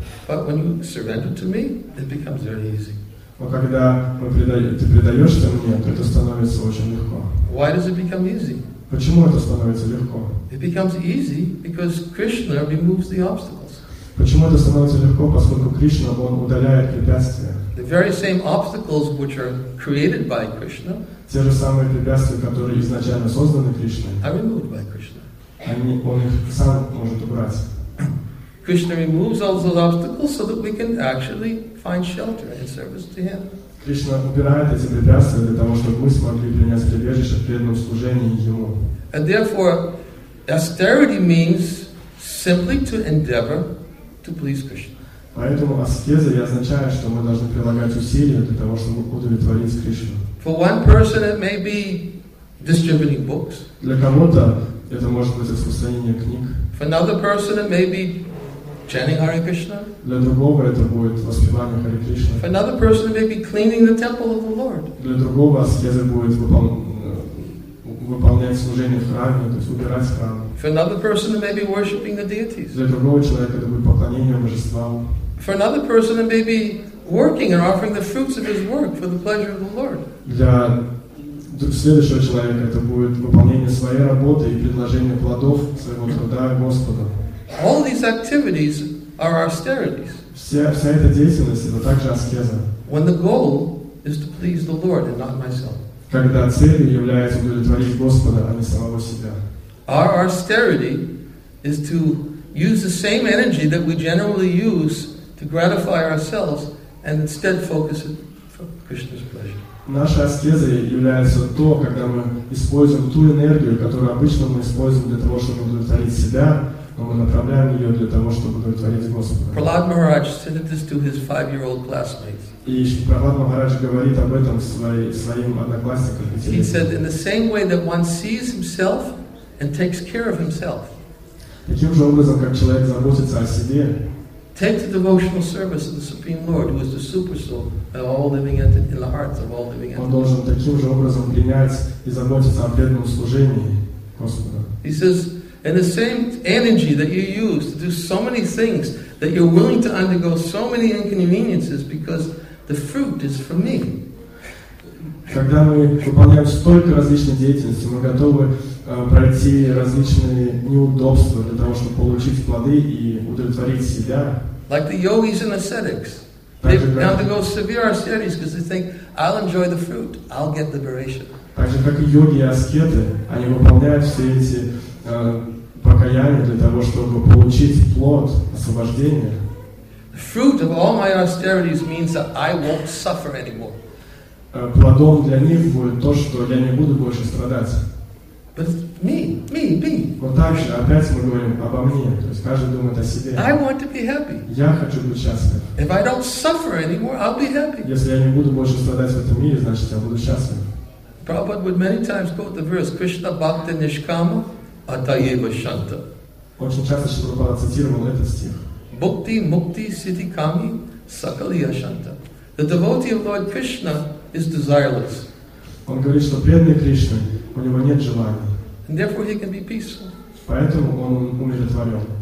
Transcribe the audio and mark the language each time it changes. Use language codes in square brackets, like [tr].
[en] But when you surrender to me, it becomes very easy. [ru] Но когда ты предаешься мне, то это становится очень легко. [en] Why does it become easy? [ru] Почему это становится легко? [en] It becomes easy because Krishna removes the obstacles. [ru] Почему это становится легко, поскольку Кришна он удаляет препятствия? [en] The very same obstacles which are created by Krishna. [ru] Те же самые препятствия, которые изначально созданы Кришной. [en] Are removed by Krishna. [ru] Он их сам может убрать. [en] Krishna removes all those obstacles so that we can actually find shelter and service to Him. [ru] Кришна убирает эти препятствия для того, чтобы мы смогли принять прибежище в преданном служении Ему. [en] And therefore, austerity means simply to endeavor to please Krishna. [ru] Поэтому аскеза и означает, что мы должны прилагать усилия для того, чтобы удовлетворить Кришну. [en] For one person, it may be distributing books. [ru] Для кого-то это может быть распространение книг. [en] For another person, it may be chanting Hare Krishna. [ru] Для другого это будет воспевание Харе Кришны. [en] For another person, it may be cleaning the temple of the Lord. [ru] Для другого аскеза будет выполнять служение в храме, то есть убирать храм. [en] For another person, it may be worshiping the deities. [ru] Для другого человека это будет поклонение божествам. [en] For another person, it may be working and offering the fruits of his work for the pleasure of the Lord. [ru] Для следующего человека это будет выполнение своей работы и предложение плодов своего труда Господу. [en] All these activities are austerities. [ru] Вся эта деятельность это также аскеза. [en] When the goal is to please the Lord and not myself. [ru] Когда целью является удовлетворить Господа, а не самого себя. [en] Our austerity is to use the same energy that we generally use to gratify ourselves and instead focus it for Krishna's pleasure. [ru] Наша аскеза является то, когда мы используем ту энергию, которую обычно мы используем для того, чтобы удовлетворить себя. Но мы направляем ее для того, чтобы удовлетворить Господа. [en] Prahlad Maharaj said this to his 5-year-old classmates. [ru] И Прохлад Махарадж говорит об этом своим одноклассникам. [en] He said, in the same way that one sees himself and takes care of himself. [ru] Таким же образом, как человек заботится о себе. [en] Take the devotional service of the Supreme Lord, who is the super soul of all living entities, in the hearts of all living entities. [ru] Он должен таким же образом принять и заботиться о преданном служении Господа. [en] He says, and the same energy that you use to do so many things, that you're willing to undergo so many inconveniences because the fruit is for me. [ru] Когда мы выполняем столько различных деятельностей, мы готовы пройти различные неудобства для того, чтобы получить плоды и удовлетворить себя. [en] Like the yogis and ascetics. They undergo severe austerities because they think, I'll enjoy the fruit, I'll get liberation. [ru] Так же, как и йоги и аскеты, они выполняют все эти покаяние для того, чтобы получить плод освобождения. [en] The fruit of all my austerities means that I won't suffer anymore. [ru] Плодом для них будет то, что я не буду больше страдать. [en] But Me. [ru] Вот дальше опять мы говорим обо мне, то есть каждый думает о себе. [en] I want to be happy. [ru] Я хочу быть счастлив. [en] If I don't suffer anymore, I'll be happy. [ru] Если я не буду больше страдать в этом мире, значит я буду счастлив. [en] Prabhupada would many times quote the verse [bn] Krishna Bhakti Nishkama Atayeva Shanta. [ru] Очень часто Шрупада цитировал этот стих. [bn] Bhakti Mukti Siddhi Kami Sakaliya Shanta. [en] The devotee of Lord Krishna is desireless. [ru] Он говорит, что преданный Кришне, у него нет желаний. [en] And therefore he can be peaceful. [ru] Поэтому он умиротворен.